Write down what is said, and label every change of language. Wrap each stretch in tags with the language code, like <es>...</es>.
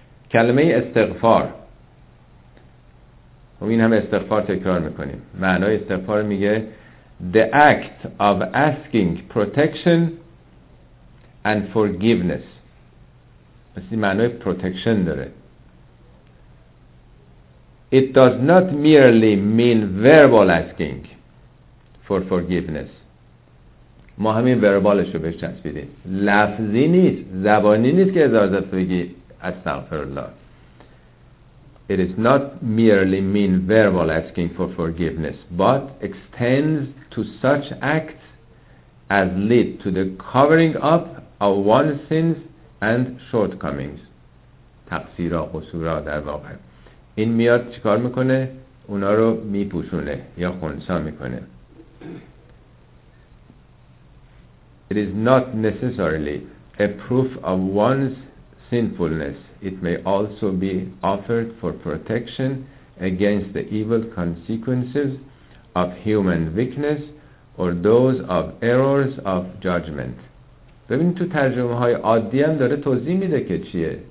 <fa>کلمه استغفار، این هم استغفار تکرار میکنیم، معنای استغفار میگه</fa> <en>the act of asking protection and forgiveness.</en> <fa>مثل این معنای protection داره.</fa> <en>It does not merely mean verbal asking for forgiveness.</en> <fa>ما همین وربالش رو بهش چسبیدیم، لفظی نیست، زبانی نیست که هزار دفعه بگی استغفرالله.</fa> <en>It is not merely mean verbal asking for forgiveness but extends to such acts as lead to the covering up of one's sins and shortcomings.</en> <fa>تقصیرا، قصورا در واقع. این میاد چیکار میکنه؟ اونا رو میپوشونه یا خونسا میکنه.</fa> <en>It is not necessarily a proof of one's sinfulness. It may also be offered for protection against the evil consequences of human weakness or those of errors of judgment.</en> <fa>ببینید تو ترجمه های عادی هم داره توضیح میده که چیه.</fa>